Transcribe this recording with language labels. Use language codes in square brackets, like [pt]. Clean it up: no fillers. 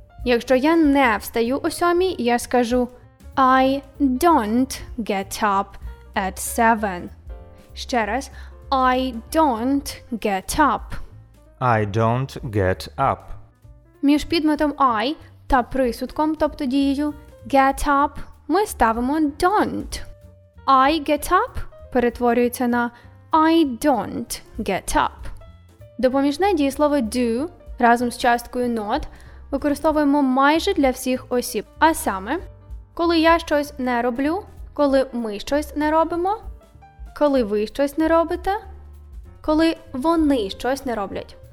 [uk] Якщо я не встаю о 7, я скажу [en] I don't get up at 7. [uk] Ще раз. [en] I don't get up. I don't get up. [uk] Між підметом I та присудком, тобто дією get up, ми ставимо don't. [en] I get up [uk] перетворюється на [en] I don't get up. [uk] Допоміжне дієслово do разом з часткою not використовуємо майже для всіх осіб, а саме коли я щось не роблю, коли ми щось не робимо, коли ви щось не робите, коли вони щось не роблять.